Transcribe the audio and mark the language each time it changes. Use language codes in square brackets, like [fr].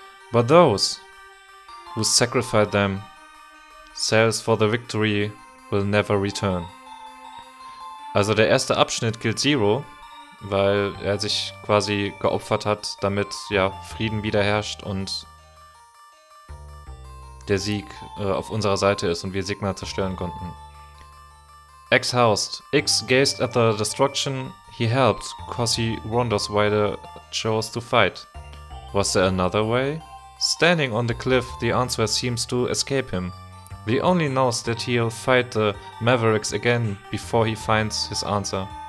[en] But those who sacrificed themselves for the victory will never return. [de] Also der erste Abschnitt gilt Zero, weil er sich quasi geopfert hat, damit ja Frieden wieder herrscht und der Sieg auf unserer Seite ist und wir Sigma zerstören konnten. [en] X housed. X gazed at the destruction he helped, cause he wonders why they chose to fight. Was there another way? Standing on the cliff, the answer seems to escape him. He only knows that he'll fight the Mavericks again before he finds his answer.